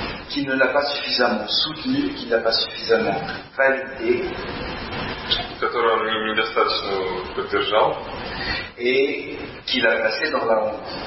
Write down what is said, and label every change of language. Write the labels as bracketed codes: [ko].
[fr] qui ne l'a pas suffisamment soutenu, qui l'a pas suffisamment validé, [ru] которого он недостаточно поддержал, [fr] et qui l'a placé dans la honte.